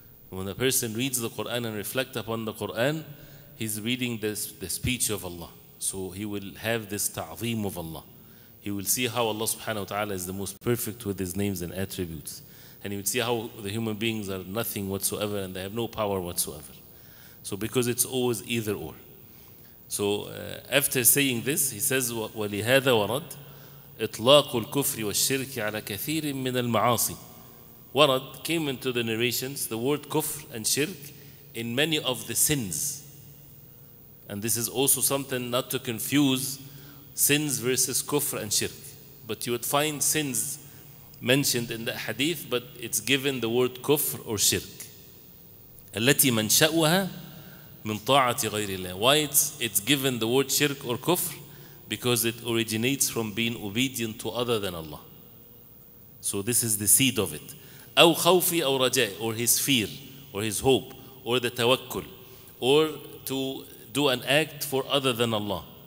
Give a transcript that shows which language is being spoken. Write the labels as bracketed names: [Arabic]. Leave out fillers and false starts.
[English] When a person reads the Qur'an and reflect upon the Qur'an, he's reading the speech of Allah. So he will have this ta'zeem of Allah. He will see how Allah subhanahu wa ta'ala is the most perfect with his names and attributes. And he will see how the human beings are nothing whatsoever and they have no power whatsoever. So because it's always either or. So after saying this, he says, [Arabic] وَلِهَذَا وَرَدْ إِطْلَاقُ الْكُفْرِ وَالشِّرْكِ عَلَى كَثِيرٍ مِّنَ الْمَعَاصِي. [English] Warad came into the narrations, the word kufr and shirk, in many of the sins. And this is also something not to confuse sins versus kufr and shirk. But you would find sins mentioned in the hadith, but it's given the word kufr or shirk. [Arabic] التي منشأها من طاعة غير الله. [English] Why it's given the word shirk or kufr? Because it originates from being obedient to other than Allah. So this is the seed of it. [Arabic] أو خوفي أو رجائي, [English] or his fear, or his hope, or the tawakkul, or to do an act for other than Allah.